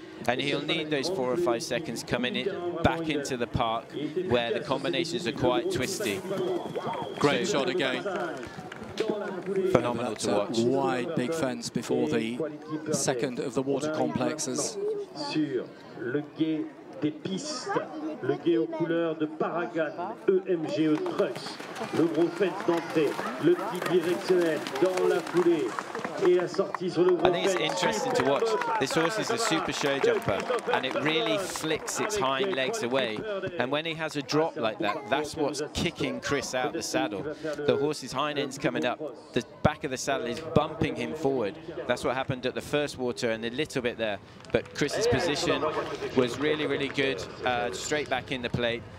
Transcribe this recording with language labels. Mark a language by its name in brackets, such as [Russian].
[English] And he'll need those 4 or 5 seconds coming in back into the park where the combinations are quite twisty. Great shot again. Phenomenal to watch. Wide big fence before the second of the water complexes. [French] Sur le gué des pistes, le gué aux couleurs de Paragon, EMGE Trust. Le gros fence d'entrée, le petit directionnel dans la foulée. [English] I think it's interesting to watch. This horse is a super show jumper, and it really flicks its hind legs away. And when he has a drop like that, that's what's kicking Chris out of the saddle. The horse's hind end's coming up. The back of the saddle is bumping him forward. That's what happened at the first water and a little bit there. But Chris's position was really, really good, straight back in the plate.